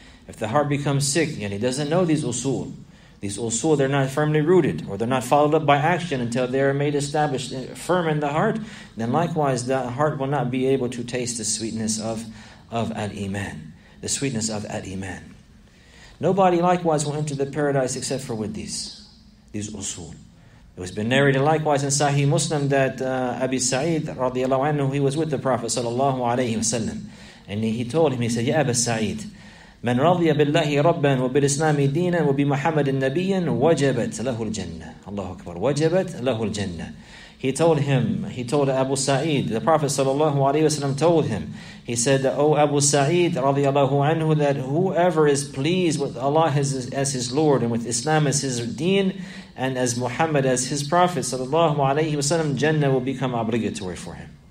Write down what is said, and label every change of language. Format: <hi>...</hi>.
<en>If the heart becomes sick and he doesn't know these usul, they're not firmly rooted, or they're not followed up by action until they are made established firm in the heart, then likewise the heart will not be able to taste the sweetness of al-iman, the sweetness of al-iman. Nobody likewise will enter the paradise except for with these usul. It was been narrated likewise in Sahih Muslim that Abi Sa'id radiallahu anhu, he was with the Prophet sallallahu alayhi wa sallam. And he told him, he said,</en> <ar>Ya Abi Sa'id, من رضي بالله ربا وبالإسلام دينا وبمحمد النبي وجبت له الجنة. الله أكبر. وجبت له الجنة.</ar> <en>He told him, he told Abu Sa'id, the Prophet sallallahu alayhi wa sallam told him, he said, O Abu Sa'id radiallahu anhu, that whoever is pleased with Allah as his Lord and with Islam as his deen, and as Muhammad as his Prophet sallallahu alayhi wa sallam, Jannah will become obligatory for him.</en>